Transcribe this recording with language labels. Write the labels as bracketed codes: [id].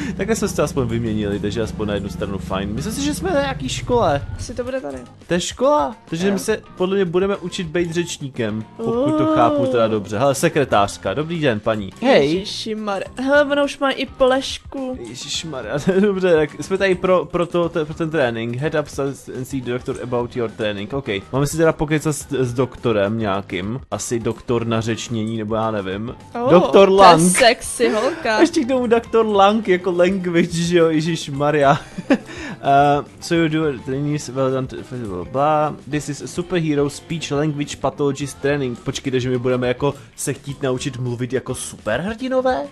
[cs] Takhle jsme se aspoň vyměnili, takže aspoň na jednu stranu fajn. Myslím si, že jsme na nějaký škole. Asi to bude tady. To je škola. Takže my se podle mě budeme učit být řečníkem, pokud to chápu teda dobře. Hele, sekretářka, dobrý den, paní. Hej. Ježišmar. Hele, ona už má i plešku. Ježišmar, dobře, tak jsme tady pro ten trénink. [en] Head up and see the doctor about your training. OK. [cs] Máme si teda pokecat s doktorem nějakým. Asi doktor na řečnění, nebo já nevím. Doktor Lang. To je sexy holka. A ještě k tomu doktor Lang jako language, že jo, Ježíš Maria. [en] So you do training well done, blah. This is a superhero speech language pathologist training. [cs] Počkejte, že my budeme jako se chtít naučit mluvit jako superhrdinové?